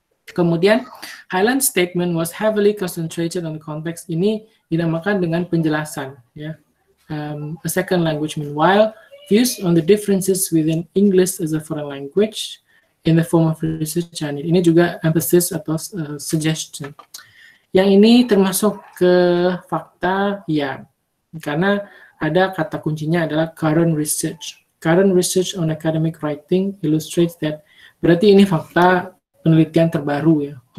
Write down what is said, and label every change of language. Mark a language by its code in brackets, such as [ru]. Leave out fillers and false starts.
[id] Kemudian, [en] Highland statement was heavily concentrated on the context. [id] Ini dinamakan dengan penjelasan. [en] Yeah. A second language. Meanwhile, views on the differences within English as a foreign language in the form of research channel. [id] Ini juga emphasis atau suggestion. Yang ini termasuk ke fakta, ya. Karena ada kata kuncinya adalah current research. [en] Current research on academic writing illustrates that. [id] Berarti ini fakta penelitian terbaru ya.